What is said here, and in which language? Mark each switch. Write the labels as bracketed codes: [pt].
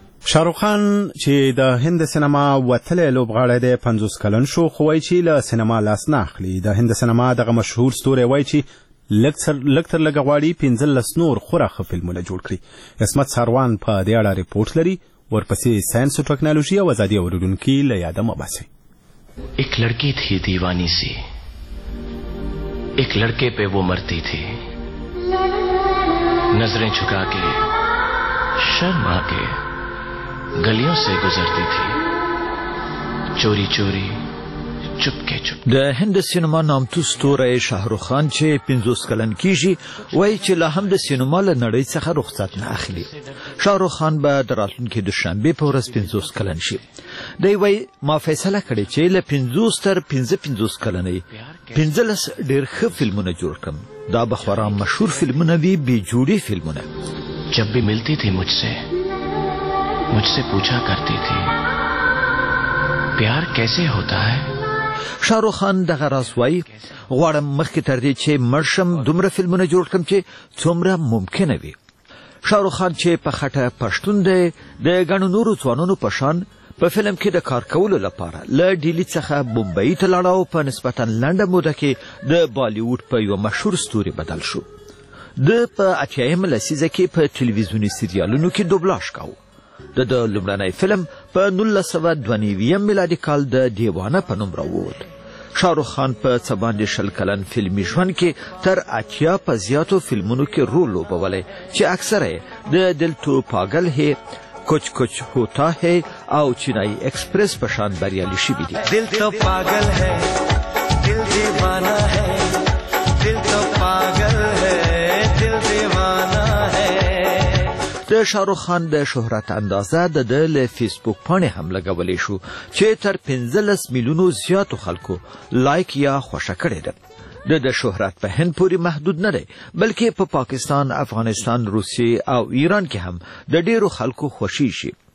[ps] شاروخان چې د هند سینما وتلې لوبغاړی دی 50 کلن شو، خو وایي چې له سینما لاس نه اخلي. د هند سینما دغه مشهور ستوری وایي چې لکتر لږ غواړي 15 نور خورا ښه فلمونه جوړ کړي. عصمت ساروان په دې اړه رپورټ لري. ورپسې ساینس او ټکنالوژي او ازادي اورېدونکي له یاده مباسي. [ur] ایک لڑکی تھی دیوانی سی، ایک لڑکے پہ وہ مرتی تھی، نظریں چھکا کے شرم آ کے گلیوں سے گزرتی تھی، چوری چوری چپکے چپکے. [ps] د هند سینما نامتو ستوری شاهرخ خان چې 50 کلن کیږي وایي چې لا هم د سینما له نړۍ څخه رخصت نه اخلي. شاهرخ خان به د راتلونکي دوشنبه په ورځ 50 کلن شي. دی وایي ما فیصله کړې چې له 50 تر 55 کلنۍ 15 ډېر ښه فلمونه جوړ کړم. دا به خورا مشهور فلمونه وي، بې جوړي فلمونه. [ur] جب بھی ملتی تھی مجھ سے پوچھا کرتی تھی پیار کیسے ہوتا ہے. [ps] شاهرخ خان دغه راز وایي، غواړم مخکې تر دې چې مړ شم دومره فلمونه جوړ کړم چې څومره ممکنه وي. شاهرخ خان چې په خټه پښتون دی، د ګڼو نورو ځوانانو په شان په فلم کې د کار کولو لپاره له ډیلی څخه بمبئی ته لاړ او په نسبتا لنډه موده کې د بالیوډ په یو مشهور ستوري بدل شو. د په اچایم لسیزه کې په تلویزیونی سیریالونو کې دوبلاش کاوه. د د لومړنی فلم په 1922 میلادي کال د دیوانه په نوم راووت. شاهرخ خان په څه باندې شل کلن فلمي ژوند کې تر اتیا په زیاتو فلمونو کې رول لوبولی چې اکثره یې د دل تو پاگل هی، کچ کچ ہوتا ہے او چینای ایکسپریس په شان بریالی شوي دي. [ur] دل تو پاگل ہے، دل دیوانہ ہے، دل تو پاگل ہے، دل دیوانہ ہے. [ps] د شاهرخ خان د شهرت اندازه د فیسبوک پانه هم لګولې شو چې تر 15 میلیونو زیاتو خلکو لایک یا خوشاله کړي ده. د شهرت په هند پوری محدود نه دی، بلکې په پا پاکستان، افغانستان، روسیه او ایران کې هم د ډیرو خلکو خوشی شي.